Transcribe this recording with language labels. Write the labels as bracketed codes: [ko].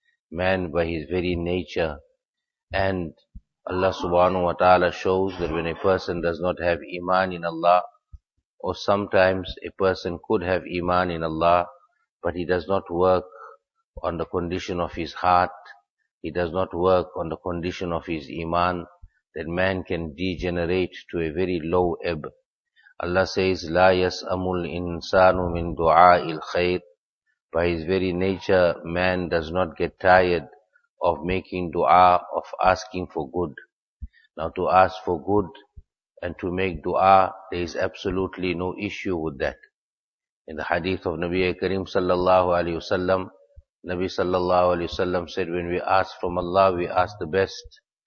[en] Man by his very nature. And Allah subhanahu wa ta'ala shows that when a person does not have iman in Allah, or sometimes a person could have iman in Allah, but he does not work on the condition of his heart, he does not work on the condition of his iman, that man can degenerate to a very low ebb. Allah says, [ar] لا يسأم الإنسان من دعاء الخير. [en] By his very nature, man does not get tired of making dua, of asking for good. Now to ask for good and to make dua, there is absolutely no issue with that. In the hadith of Nabi Karim sallallahu alayhi wa sallam, Nabi sallallahu alayhi wa sallam said, when we ask from Allah, we ask the best.